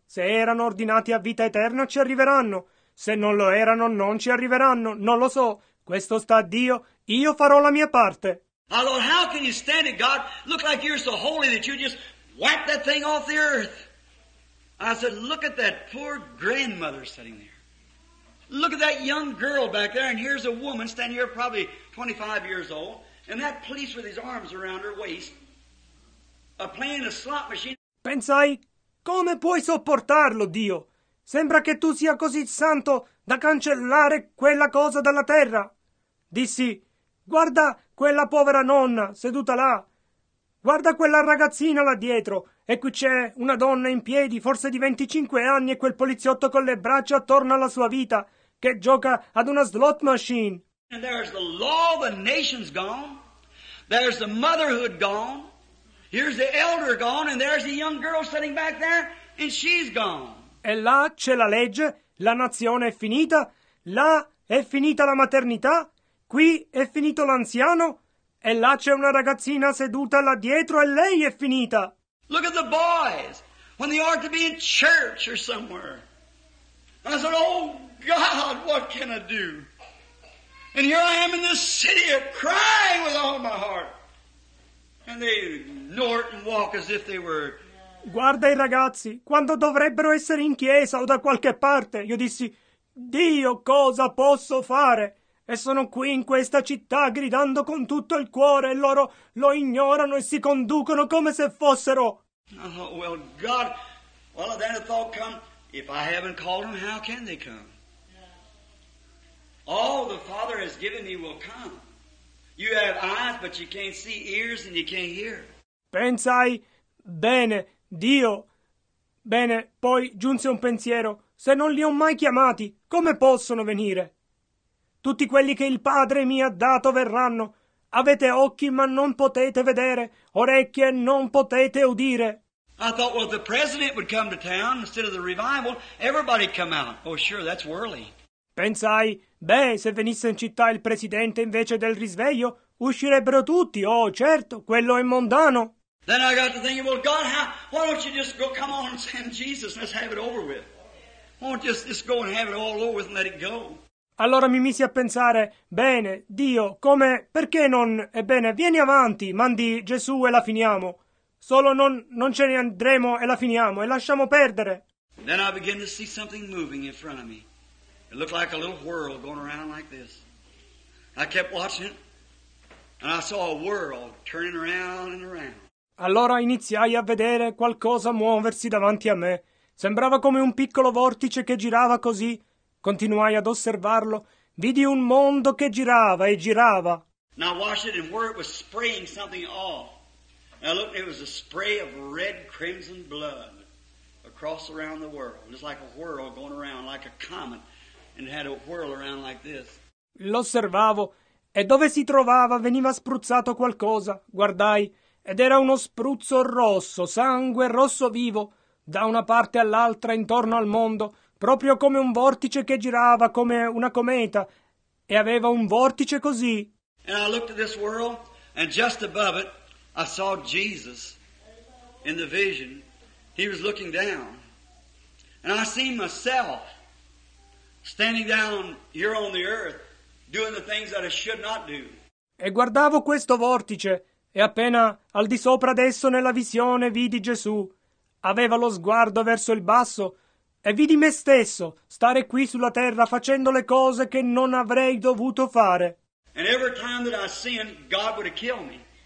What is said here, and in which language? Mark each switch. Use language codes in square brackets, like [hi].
[it] Se erano ordinati a vita eterna, ci arriveranno. Se non lo erano, non ci arriveranno. Non lo so. Questo sta a Dio. Io farò la mia parte. [en] Oh, Lord, how can you stand it, God? Look like you're so holy that you just wipe that thing off the earth. I said, look at that poor grandmother sitting there. Look at that young girl back there, and here's a woman standing here probably 25 years old, and that police with his arms around her waist, playing a slot machine. [it] Pensai, come puoi sopportarlo, Dio? Sembra che tu sia così santo da cancellare quella cosa dalla terra. Dissi, guarda quella povera nonna seduta là. Guarda quella ragazzina là dietro. E qui c'è una donna in piedi, forse di 25 anni, e quel poliziotto con le braccia attorno alla sua vita, che gioca ad una slot machine. [en] And there's the law of the nations gone. There's the motherhood gone. Here's the elder gone. And there's the young girl sitting back there. And she's gone. [it] E là c'è la legge. La nazione è finita. Là è finita la maternità. Qui è finito l'anziano. E là c'è una ragazzina seduta là dietro e lei è finita. [en] Look at the boys when they ought to be in church or somewhere. And I said, oh God, what can I do? And here I am in this city of crying with all my heart. And they ignore it and walk as if they were. [it] Guarda i ragazzi quando dovrebbero essere in chiesa o da qualche parte. Io dissi, Dio, cosa posso fare? E sono qui in questa città gridando con tutto il cuore e loro lo ignorano e si conducono come se fossero. [en] Oh, well, God, well, then a thought come, if I haven't called them, how can they come? All the Father has given me will come. You have eyes, but you can't see, ears, and you can't hear. [it] Pensai, bene, Dio, Bene, poi giunse un pensiero, se non li ho mai chiamati, come possono venire? Tutti quelli che il Padre mi ha dato verranno. Avete occhi ma non potete vedere, orecchie non potete udire. [en] I thought, well, if the president would come to town instead of the revival, everybody'd come out. Oh, sure, that's worldly. [it] Pensai, beh, se venisse in città il presidente invece del risveglio, uscirebbero tutti. Oh, certo, quello è mondano. [en] Then I got to thinking, well, God, why don't you just go, come on, and send Jesus, let's have it over with. Why don't you just go and have it all over with and let it go. [it] Allora mi misi a pensare, bene, Dio, come, perché non, ebbene, vieni avanti, mandi Gesù e la finiamo. Solo non ce ne andremo e la finiamo, e lasciamo perdere. [en] Then I began to see something moving in front of me. It looked like a little whirl going around like this. I kept watching it, and I saw a whirl turning around and around. [it] Allora iniziai a vedere qualcosa muoversi davanti a me. Sembrava come un piccolo vortice che girava così. Continuai ad osservarlo. Vidi un mondo che girava e girava. [en] Now watch it, and where it was spraying something off. Now look, it was a spray of red crimson blood across around the world. It's like a whirl going around, like a comet, and it had a whirl around like this. [it] L'osservavo, e dove si trovava veniva spruzzato qualcosa. Guardai, ed era uno spruzzo rosso, sangue rosso vivo, da una parte all'altra intorno al mondo, proprio come un vortice che girava, come una cometa, e aveva un vortice così. [en] And I looked at this world, and just above it, I saw Jesus in the vision. He was looking down. And I seen myself standing down here on the earth doing the things that I should not do. [it] E guardavo questo vortice e appena al di sopra adesso nella visione vidi Gesù. Aveva lo sguardo verso il basso e vidi me stesso stare qui sulla terra facendo le cose che non avrei dovuto fare. [en] And every time that I sinned, God would have killed me.